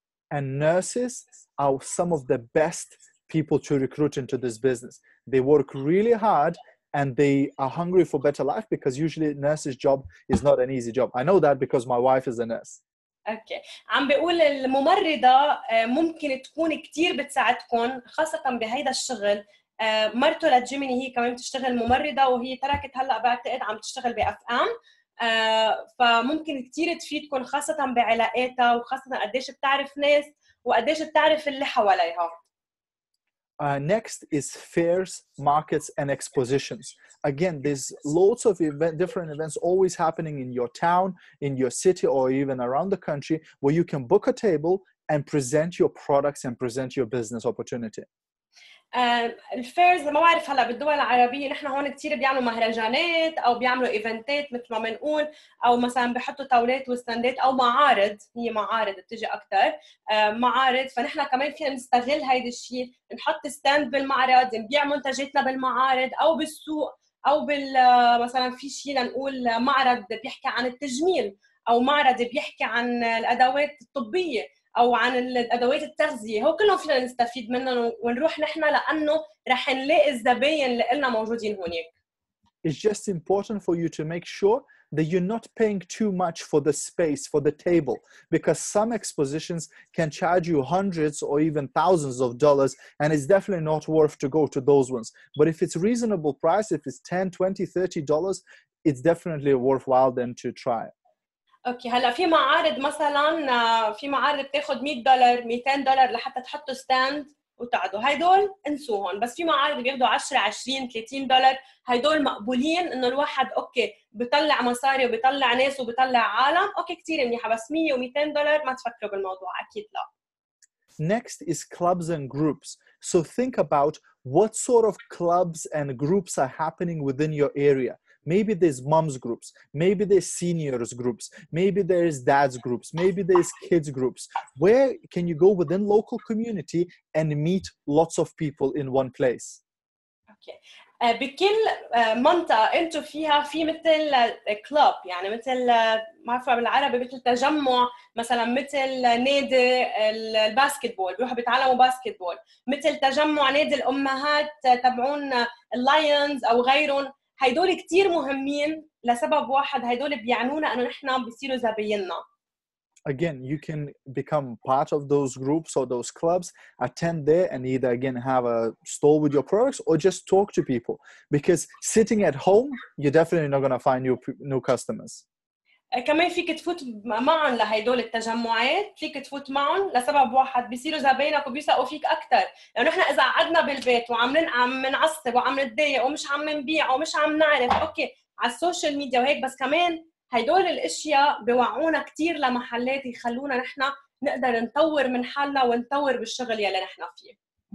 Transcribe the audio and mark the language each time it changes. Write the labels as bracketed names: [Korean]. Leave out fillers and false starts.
[English] And nurses are some of the best people to recruit into this business. They work really hard and they are hungry for better life because usually a nurse's job is not an easy job. I know that because my wife is a nurse. [Arabic] اوكي عم بقول الممرضة ممكن تكون كتير بتساعدكم خاصة بهيدا الشغل مرته لجيميني هي كمان بتشتغل ممرضة وهي تركت هلأ بعتقد عم تشتغل بأفقام فممكن كتير تفيدكم خاصة بعلاقاتها وخاصة قديش بتعرف ناس وقديش بتعرف اللي حواليها. [English] Next is fairs, markets, and expositions. Again, there's lots of different events always happening in your town, in your city, or even around the country where you can book a table and present your products and present your business opportunity. [Arabic] الفيرز ما بعرف هلا بالدول العربية نحن هون كتير بيعملوا مهرجانات أو بيعملوا إيفنتات مثل ما منقول أو مثلا بيحطوا طاولات وستاندات أو معارض هي معارض بتجي أكتر معارض فنحن كمان فينا نستغل هيدا الشيء نحط ستاند بالمعرض نبيع منتجاتنا بالمعارض أو بالسوق أو بال مثلا في شيء لنقول معرض بيحكي عن التجميل أو معرض بيحكي عن الأدوات الطبية أو عن الأدوات التغذية هو كلهم فينا نستفيد منهم ونروح نحن لأنه رح نلاقي الزبائن اللي قلنا موجودين هناك. [English] It's just important for you to make sure that you're not paying too much for the space, for the table, because some expositions can charge you hundreds or even thousands of dollars, and it's definitely not worth to go to those ones. But if it's reasonable price, if it's 10, 20, 30 dollars, it's definitely worthwhile then to try. [Arabic] اوكي هلا في معارض مثلا في معارض بتاخذ $100 $200 لحتى تحطوا ستاند وتقعدوا هيدول انسوهم بس في معارض بياخذوا 10 20 30 دولار هيدول مقبولين انه الواحد اوكي بيطلع مصاري وبيطلع ناس وبيطلع عالم اوكي كثير منيحه بس 100 و200 دولار ما تفكروا بالموضوع اكيد لا. [English] Next is clubs and groups. So think about what sort of clubs and groups are happening within your area. Maybe there's moms groups, maybe there's seniors groups, maybe there's dads groups, maybe there's kids groups. Where can you go within local community and meet lots of people in one place? Okay. [Arabic] بكل منطقة انتو فيها في مثل club, يعني مثل ما عرفوا بالعربي مثل تجمع, مثلا مثل نادي الباسكتبول, بيروحوا بيتعلموا باسكتبول, مثل تجمع نادي الأمهات تبعون اللايونز أو غيرهم. هيدول كتير مهمين لسبب واحد هيدول بيعنونا أنه نحنا بيصيروا زبيننا. [English] Again, you can become part of those groups or those clubs, attend there and either again have a stall with your products or just talk to people. Because sitting at home, you're definitely not going to find new customers. [Arabic] كمان فيك تفوت معهم لهيدول التجمعات فيك تفوت معهم لسبب واحد بيصيروا زباينك وبيسقوا فيك أكتر لأنه إحنا إذا قعدنا بالبيت وعم منعصب وعم نتضايق ومش عم نبيع ومش عم نعرف أوكي على السوشيال ميديا وهيك بس كمان هيدول الأشياء بيوعونا كتير لمحلات يخلونا نحنا نقدر نطور من حالنا ونطور بالشغل يلي نحنا فيه.